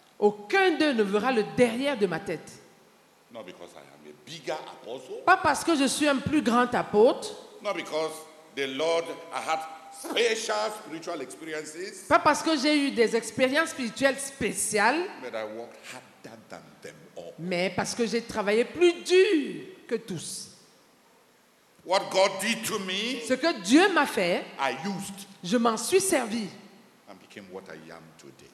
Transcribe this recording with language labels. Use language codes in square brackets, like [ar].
[fr] Aucun d'eux ne verra le derrière de ma tête. [en] Not because I am a bigger apostle. [fr] Pas parce que je suis un plus grand apôtre. [en] Not because the Lord had special spiritual experiences. [fr] Pas parce que j'ai eu des expériences spirituelles spéciales. [en] But I worked harder than them. [fr] Mais parce que j'ai travaillé plus dur que tous. [en] What God did to me, [fr] ce que Dieu m'a fait, [en] I used, [fr] je m'en suis servi. [en] And became what I am today.